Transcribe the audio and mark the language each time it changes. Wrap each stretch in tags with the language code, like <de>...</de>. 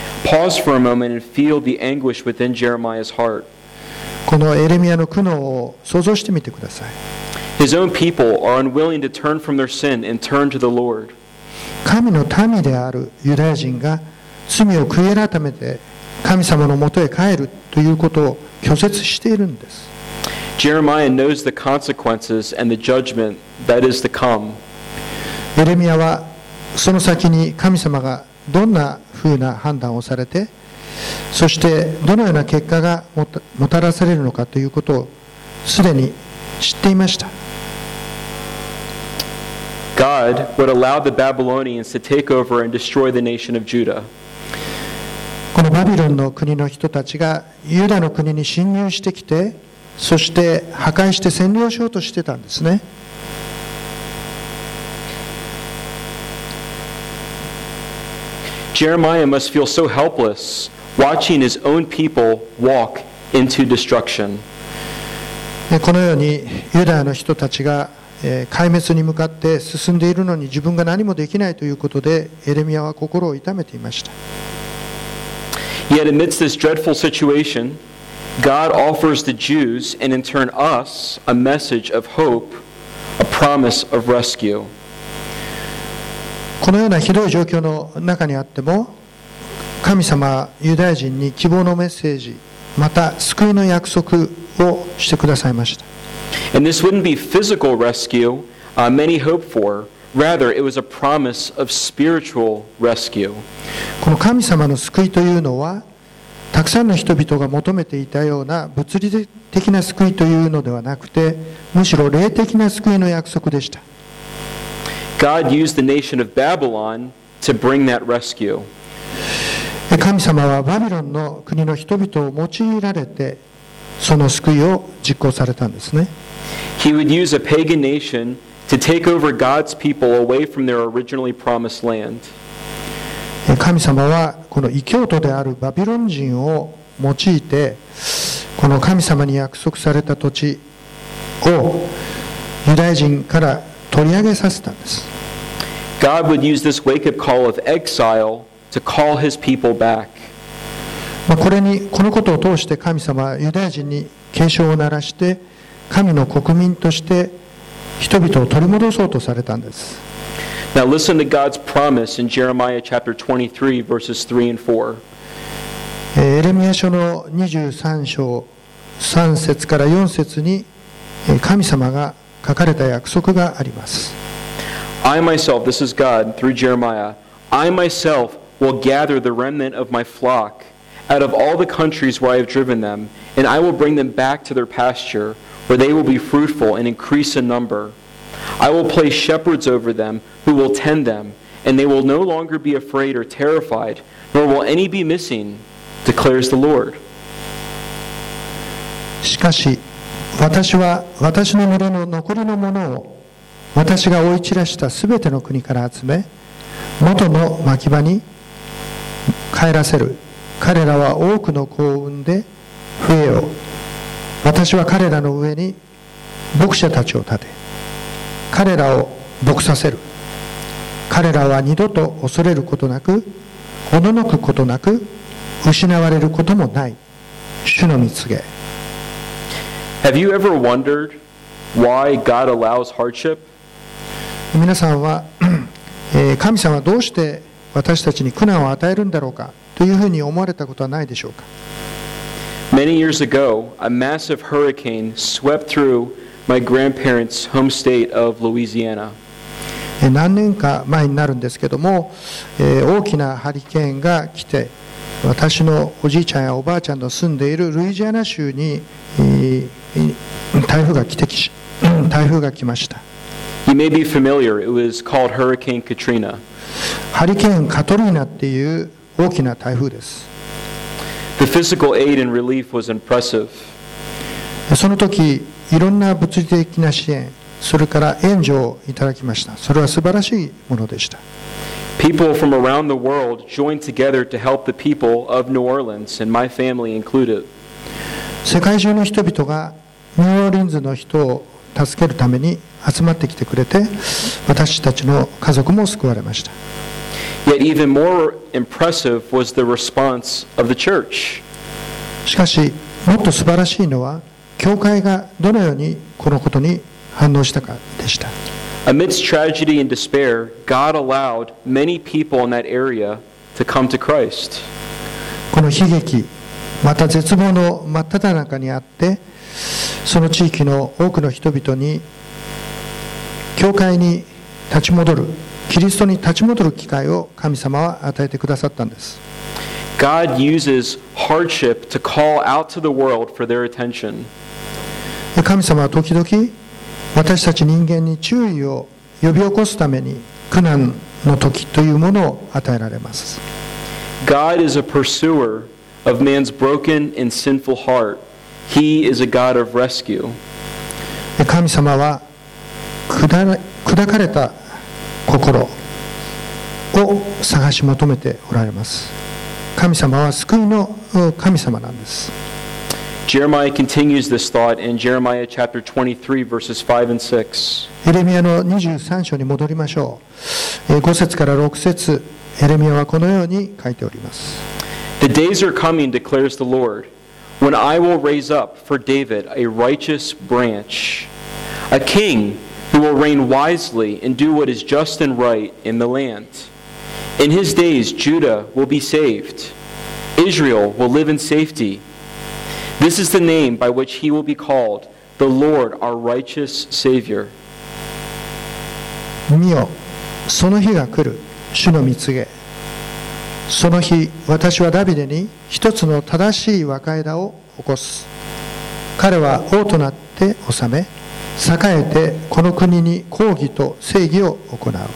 <en>Pause for a moment and feel the anguish within Jeremiah's heart.</en> <ja>このエレミアの苦悩を想像してみてください。</ja> <en>His own people are unwilling to turn from their sin and turn to the Lord.</en> <ja>神の民であるユダヤ人が罪を悔い改めて神様のもとへ帰るということを拒絶しているんです。</ja> <en>Jeremiah knows the consequences and the judgment that is to come.</en> <ja>エレミアはその先に神様がどんなふうな判断をされて、そしてどのような結果がもたらされるのかということをすでに知っていました。</ja> <en>God would allow the Babylonians to take over and destroy the nation of Judah.</en> <ja>このバビロンの国の人たちがユダの国に侵入してきて、そして破壊して占領しようとしてたんですね。</ja> <en>Jeremiah must feel so helpless watching his own people walk into destruction.</en> <ja>このようにユダの人たちが壊滅に向かって進んでいるのに自分が何もできないということでエレミアは心を痛めていました。</ja> <en>Yet amidst this dreadful situation, God offers the Jews and in turn us a message of hope, a promise of rescue.</en> <ja>このようなひどい状況の中にあっても神様はユダヤ人に希望のメッセージ、また救いの約束をしてくださいました。</ja> <en>And this wouldn't be physical rescue, many hope for. Rather, it was a promise of spiritual rescue.</en> <ja>この神様の救いというのは、たくさんの人々が求めていたような物理的な救いというのではなくて、むしろ霊的な救いの約束でした。</ja> <en>God used the nation of Babylon to bring that rescue.</en> <ja>神様はバビロンの国の人々を用いられて、その救いを実行されたんですね。</ja> <en>He would use a pagan nation to take over God's people away from their originally promised land.</en> <ja>神様はこの異教徒であるバビロン人を用いて、この神様に約束された土地をユダヤ人から取り上げさせたんです。</ja> <en>God would use this wake-up call of exile to call his people back.</en> <ja>このことを通して神様はユダヤ人に警鐘を鳴らして、神の国民として人々を取り戻そうとされたんです。</ja> <en>Now listen to God's promise in Jeremiah chapter 23, verses 3 and 4.</en> <ja>エレミア書の23章3節から4節に神様が書かれた約束があります。</ja> <en>I myself, this is God through Jeremiah, I myself will gather the remnant of my flock out of all the countries where I have driven them, and I will bring them back to their pasture, where they will be fruitful and increase in number. I will place shepherds over them who will tend them, and they will no longer be afraid or terrified, nor will any be missingDeclares the Lord.</en> <ja>しかし私は私の群れの残りのものを私が追い散らしたすべての国から集め元の牧場に帰らせる。彼らは多くの子を産んで増えよう。私は彼らの上に牧者たちを立て彼らを牧させる。彼らは二度と恐れることなくおののくことなく失われることもない主の見つけ。</ja> <en>Have you ever wondered why God allows hardship?</en> <ja>皆さんは神様はどうして私たちに苦難を与えるんだろうかというふうに思われたことはないでしょうか。</ja> <en>Many years ago, a massive hurricane swept through my grandparents' home state of Louisiana.</en> <ja>何年か前になるんですけども、大きなハリケーンが来て。私のおじいちゃんやおばあちゃんの住んでいるルイジアナ州に台風が来ました。</ja> <en>You may be familiar. It was called Hurricane Katrina.</en> <ja>ハリケーン・カトリーナっていう大きな台風です。</ja> <en>The physical aid and relief was impressive.</en> <ja>その時、いろんな物理的な支援、それから援助をいただきました。それは素晴らしいものでした。</ja> <en>People from around the world joined together to help the people of New Orleans and my family included.</en> <ja>世界中の人々がニューオーリンズの人を助けるために集まってきてくれて、私たちの家族も救われました。</ja> <en>Yet even more impressive was the response of the church.</en> <ja>しかし、もっと素晴らしいのは、教会がどのようにこのことに反応したかでした。</ja> <en>Amidst tragedy and despair, God allowed many people in that area to come to Christ.</en> <ja>この悲劇、また絶望の真っ只中にあって、その地域の多くの人々に教会に立ち戻る、キリストに立ち戻る機会を神様は与えてくださったんです。</ja> <en>God uses hardship to call out to the world for their attention.</en> <ja>神様は時々私たち人間に注意を呼び起こすために苦難の時というものを与えられます。</ja> <en>God is a pursuer of man's broken and sinful heart. He is a God of rescue.</en> <ja>神様は砕かれた心を探し求めておられます。神様は救いの神様なんです。</ja> <en>Jeremiah continues this thought in Jeremiah chapter 23, verses 5 and 6.</en> <ja>エレミアの23章に戻りましょう。5節から6節、エレミアはこのように書いております。</ja> <en>The days are coming, declares the Lord, when I will raise up for David a righteous branch, a king who will reign wisely and do what is just and right in the land. In his days, Judah will be saved. Israel will live in safety. This is the name by which he will be called, the Lord, our righteous Savior.</en> <ja>見よ、その日が来る、主の見告げ。その日、私はダビデに一つの正しい若枝を起こす。彼は王となって治め、栄えてこの国に公義と正義を行う。</ja>